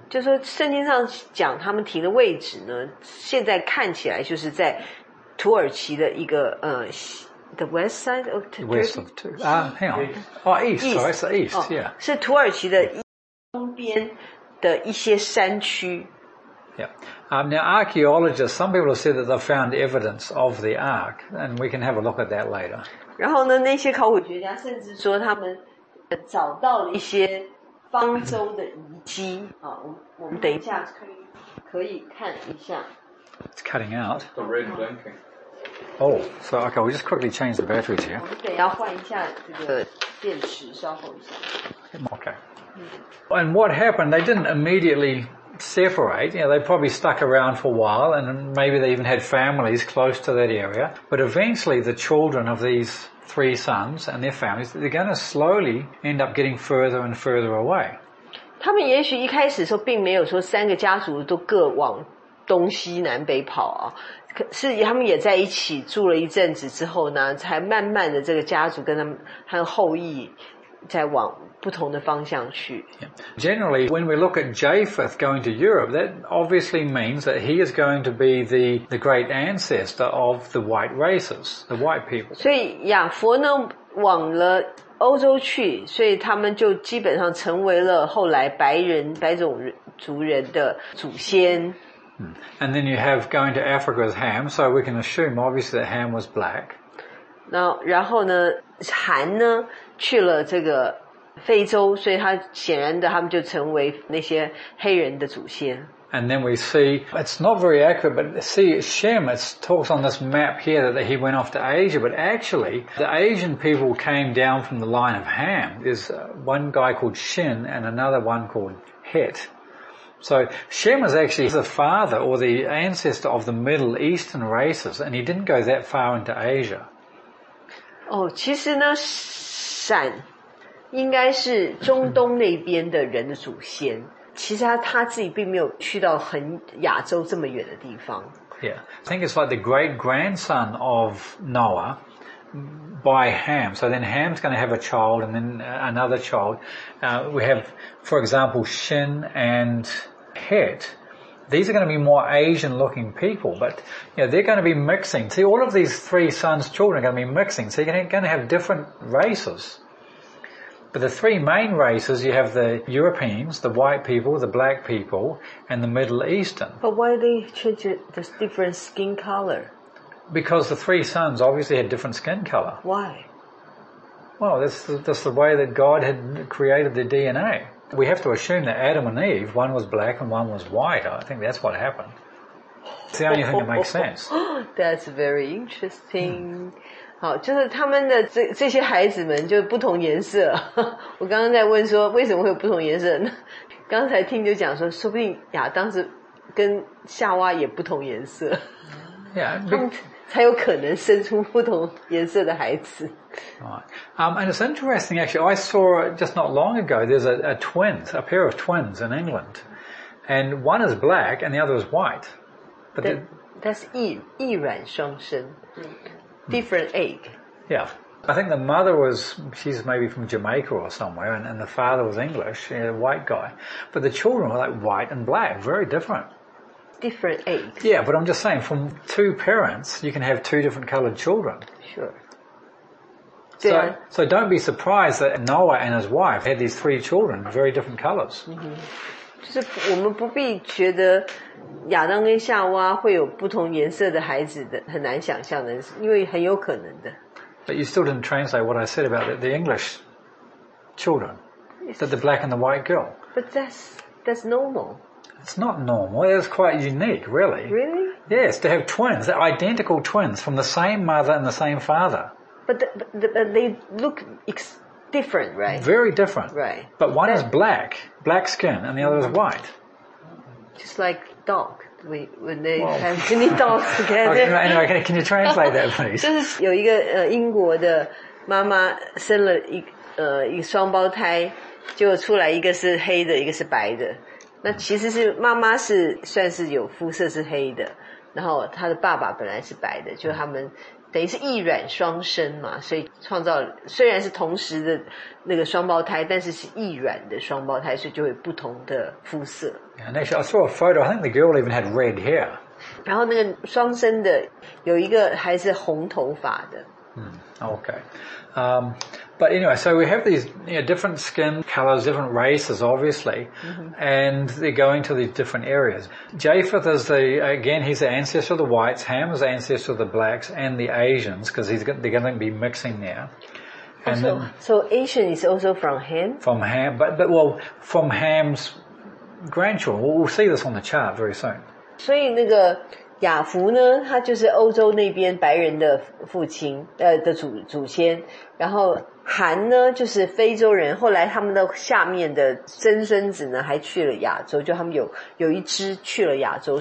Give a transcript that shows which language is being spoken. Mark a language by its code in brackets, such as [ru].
[zh] 就说圣经上讲他们停的位置呢，现在看起来就是在土耳其的一个 [en] the west side of Turkey. West of Turkey. East. [zh] 是土耳其的东边的一些山区。 [en] Yeah. Now archaeologists, some people have said that they've found evidence of the ark, and we can have a look at that later. [zh] 然后呢，那些考古学家甚至说他们找到了一些方舟的遗迹啊，我们等一下可以看一下。 [en] It's cutting out. The red blinking. Oh, so okay, we'll just quickly change the batteries here. 我们得要换一下这个电池，稍后一下。 Okay. And what happened? They didn't immediately separate. You know, they probably stuck around for a while, and maybe they even had families close to that area. But eventually, the children of these three sons and their families, they're going to slowly end up getting further and further away. [zh] 他们也许一开始的时候并没有说三个家族都各往东西南北跑啊，可是他们也在一起住了一阵子之后呢，才慢慢的这个家族跟他们和后裔在往不同的方向去。 [en] Yeah. Generally, when we look at Japheth going to Europe, that obviously means that he is going to be the great ancestor of the white races, the white people. [zh] 所以亚佛呢往了欧洲去，所以他们就基本上成为了后来白种族人的祖先。 [en] And then you have going to Africa with Ham, so we can assume obviously that Ham was black. [zh] 然后呢，韩呢去了这个非洲，所以他显然的他们就成为那些黑人的祖先。 [en] And then we see, it's not very accurate, but see Shem, it talks on this map here that he went off to Asia, but actually the Asian people came down from the line of Ham. There's one guy called Shin and another one called Het. So Shem is actually the father or the ancestor of the Middle Eastern races, and he didn't go that far into Asia. [zh] Oh, 其实呢，闪应该是中东那边的人的祖先，其实他自己并没有去到很亚洲这么远的地方。 [en] Yeah, I think it's like the great grandson of Noah by Ham. So then Ham's going to have a child and then another child. We have, for example, Shin and Het. These are going to be more Asian looking people, but you know, they're going to be mixing. See, all of these three sons' children are going to be mixing. So you're going to have different races. But the three main races, you have the Europeans, the white people, the black people, and the Middle Eastern. But why do they change the different skin color? Because the three sons obviously had different skin color. Why? Well, that's the way that God had created their DNA. We have to assume that Adam and Eve, one was black and one was white. I think that's what happened. It's the only thing that makes sense. That's very interesting. Hmm. [zh] 好，就是他们的这些孩子们就不同颜色。我刚刚在问说为什么会有不同颜色，刚才听就讲说说不定亚当时跟夏娃也不同颜色。 [en] Yeah, [zh] 他们才有可能生出不同颜色的孩子。 [en] Right. And it's interesting actually, I saw just not long ago, there's a pair of twins in England. And one is black and the other is white. But that's [zh] 异卵双生。 [en] Different egg. Yeah. I think the mother was, she's maybe from Jamaica or somewhere, and the father was English, a white guy. But the children were like white and black, very different. Different egg. Yeah, but I'm just saying, from two parents, you can have two different colored children. Sure. So don't be surprised that Noah and his wife had these three children, very different colors. Mm-hmm. [zh] 就是我们不必觉得亚当跟夏娃会有不同颜色的孩子的，很难想象的，因为很有可能的。 [en] But you still didn't translate what I said about the English children, that the black and the white girl. But that's normal. It's not normal. It's quite unique, really. Really? Yes, to have twins, identical twins from the same mother and the same father. But they look different, right? Very different. Right. But one is black skin, and the other is white. Just like. Dog, when they have many dogs together. Okay, anyway, can you translate that, please? [zh] 就是有一个英国的妈妈生了一个双胞胎，就出来一个是黑的，一个是白的。那其实是妈妈是算是有肤色是黑的，然后他的爸爸本来是白的，就他们等于是异卵双生嘛，所以创造虽然是同时的那个双胞胎，但是异卵的双胞胎，所以就会不同的肤色。 [en] Yeah, and actually, I saw a photo. I think the girl even had red hair. [zh] 然后那个双生的有一个还是红头发的。 [en] Okay. But anyway, so we have these, you know, different skin colors, different races, obviously,、mm-hmm. and they're going to these different areas. Japheth is he's the ancestor of the whites, Ham is the ancestor of the blacks and the Asians, because they're going to be mixing there. And so Ashan is also from Ham? From Ham, but well, from Ham's grandchildren. We'll see this on the chart very soon. [zh] 所以那个雅弗呢，他就是欧洲那边白人的父亲，的祖先。然后韩呢，就是非洲人。后来他们的下面的曾孙子呢，还去了亚洲，就他们有一支去了亚洲。